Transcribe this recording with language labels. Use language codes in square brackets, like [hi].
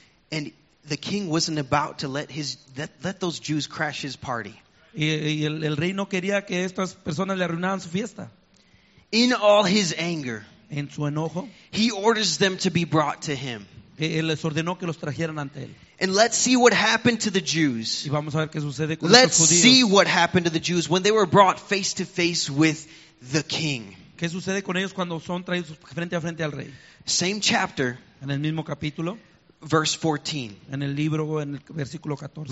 [en] And the king wasn't about to let those Jews crash his party. [es] Y el rey no quería que estas personas le arruinaran su fiesta. [en] In all his anger, [es] en su enojo, [en] he orders them to be brought to him. [es] Él les ordenó que los trajeran ante él. [en] And let's see what happened to the Jews. [es] Y vamos a ver qué sucede con [en] let's [es] estos judíos. [en] See what happened to the Jews when they were brought face to face with the king. [es] ¿Qué sucede con ellos cuando son traídos frente a frente al rey? [en] Same chapter, [es] en el mismo capítulo, [en] verse 14. [es] En el libro, en el versículo 14.